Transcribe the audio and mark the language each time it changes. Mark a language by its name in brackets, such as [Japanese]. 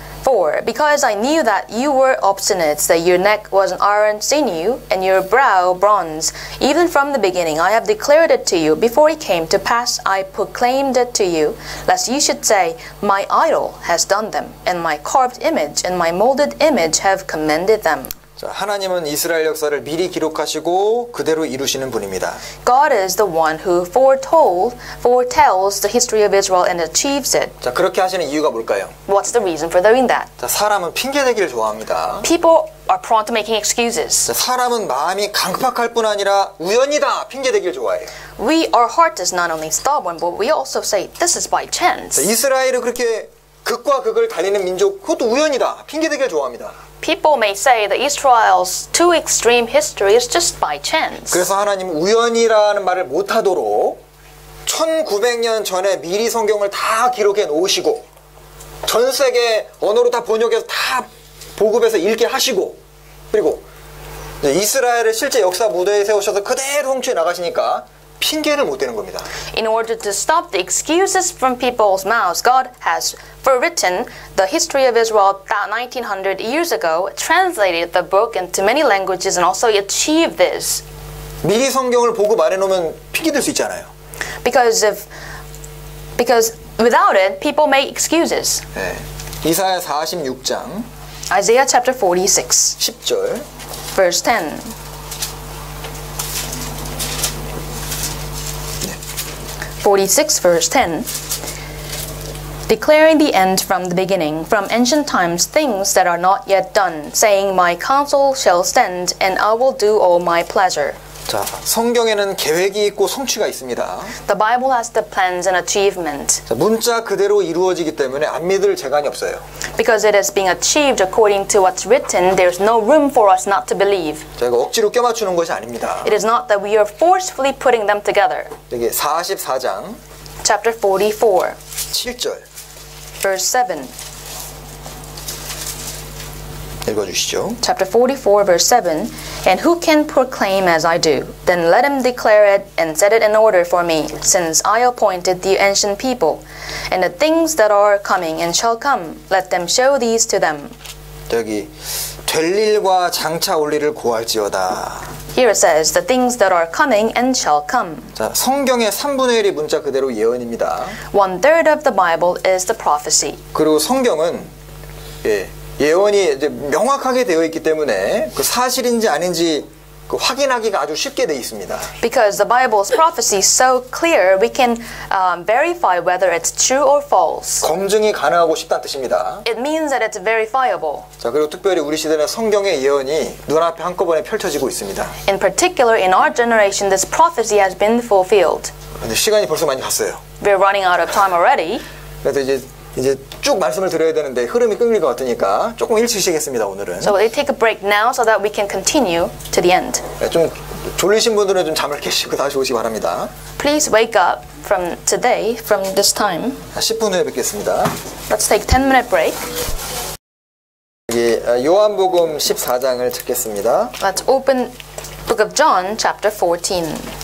[English] 4, because I knew that you were obstinate, that your neck was an iron sinew, and your brow bronze. Even from the beginning, I have declared it to you. Before it came to pass, I proclaimed it to you, lest you should say, My idol has done them, and my carved image and my molded image have commended them. [Korean] 자, 하나님은 이스라엘 역사를 미리 기록하시고 그대로 이루시는 분입니다. [English] God is the one who foretells the history of Israel and achieves it. [Korean] 자, 그렇게 하시는 이유가 뭘까요? [English] What's the reason for doing that? [Korean] 자, 사람은 핑계 대기를 좋아합니다. [English] People are prone to making excuses. [Korean] 자, 사람은 마음이 강팍할 뿐 아니라 우연이다 핑계 대기를 좋아해요. [English] We our heart is not only stubborn but we also say this is by chance. [Korean] 자, 이스라엘을 그렇게 극과 극을 달리는 민족 그것도 우연이다 핑계 대기를 좋아합니다. [English] People may say that Israel's too extreme history is just by chance. [Korean] 그래서 하나님 우연이라는 말을 못 하도록 1900년 전에 미리 성경을 다 기록해 놓으시고 전 세계 언어로 다 번역해서 다 보급해서 읽게 하시고 그리고 이스라엘을 실제 역사 무대에 세우셔서 그대로 홍초에 나가시니까 핑계를 못 대는 겁니다. [English] In order to stop the excuses from people's mouths, God has forwritten the history of Israel about 1900 years ago, translated the book into many languages, and also achieved this. [Korean] 미리 성경을 보고 말해놓으면 핑계 될 수 있잖아요. [English] Because without it, people make excuses. [Korean] 네. 이사야 46장 [English] Isaiah chapter 46 [Korean] 10절 [English] verse 10 46 verse 10 Declaring the end from the beginning, from ancient times, things that are not yet done, saying, My counsel shall stand, and I will do all my pleasure. [Korean] 자, 성경에는 계획이 있고 성취가 있습니다. [English] The Bible has the plans and achievement. [Korean] 자, 문자 그대로 이루어지기 때문에 안 믿을 재간이 없어요. [English] Because it is being achieved according to what's written, there's no room for us not to believe. [Korean] 자, 이거 억지로 껴맞추는 것이 아닙니다. [English] It is not that we are forcefully putting them together. [Korean] 여기 44장 [English] Chapter 44 [Korean] 7절 [English] Verse 7 [Korean] 읽어주시죠. [English] Chapter 44 verse 7 And who can proclaim as I do? Then let him declare it and set it in order for me, since I appointed the ancient people. And the things that are coming and shall come, let them show these to them. [Korean] 여기 될 일과 장차 올 일을 고할지어다. [English] Here it says, the things that are coming and shall come. [Korean] 자, 성경의 3분의 1이 문자 그대로 예언입니다. [English] One third of the Bible is the prophecy. [Korean] 그리고 성경은 예. 예언이 이제 명확하게 되어 있기 때문에 그 사실인지 아닌지 그 확인하기가 아주 쉽게 되어 있습니다. [English] Because the Bible's prophecy is so clear, we can verify whether it's true or false. [Korean] 검증이 가능하고 쉽다는 뜻입니다. [English] It means that it's verifiable. [Korean] 자, 그리고 특별히 우리 시대는 성경의 예언이 눈앞에 한꺼번에 펼쳐지고 있습니다. [English] In particular, in our generation, this prophecy has been fulfilled. [Korean] 근데 시간이 벌써 많이 갔어요. [English] We're running out of time already. [Korean] 그래서 이제 쭉 말씀을 드려야 되는데 흐름이 끊길 것 같으니까 조금 일찍 쉬겠습니다 오늘은. [English] So we'll take a break now so that we can continue to the end. [Korean] 네, 좀 졸리신 분들은 좀 잠을 깨시고 다시 오시기 바랍니다. [English] Please wake up from today, from this time. [Korean] 10분 후에 뵙겠습니다. [English] Let's take a 10-minute break. [Korean] 여기 요한복음 14장을 찾겠습니다. [English] Let's open Book of John chapter 14.